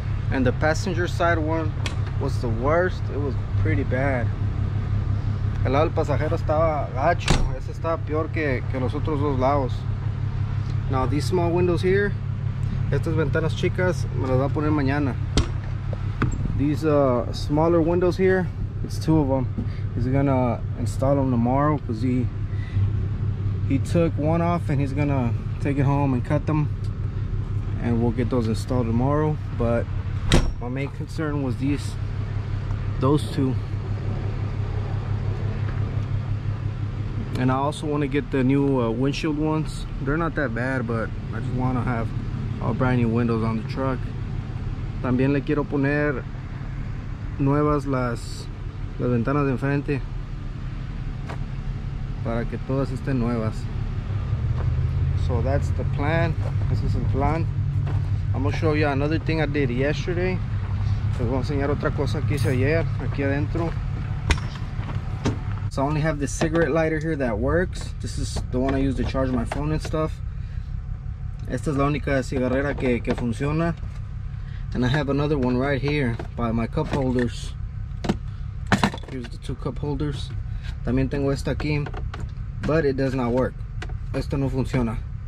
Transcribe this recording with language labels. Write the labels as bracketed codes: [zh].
[en] And the passenger side one was the worst. It was pretty bad. [es] El lado del pasajero estaba gacho. Ese estaba peor que los otros dos lados. [en] Now these small windows here, [es] estas ventanas chicas, me las va a poner mañana. [en] These smaller windows here, it's two of them. He's gonna install them tomorrow because he took one off and he's gonna take it home and cut them. And we'll get those installed tomorrow. But my main concern was those two. And I also want to get the new windshield ones. They're not that bad, but I just want to have all brand new windows on the truck. [es] También le quiero poner nuevas las ventanas de enfrente para que todas estén nuevas. [en] So that's the plan. This is the plan. I'm gonna show you another thing I did yesterday. [es] Les voy a enseñar otra cosa que hice ayer aquí adentro. [en] So I only have this cigarette lighter here that works. This is the one I use to charge my phone and stuff. [es] Esta es la única cigarrera que funciona. [en] And I have another one right here by my cup holders. Here's the two cup holders. [es] También tengo esta aquí, [en] but it does not work. [es] Esta no funciona.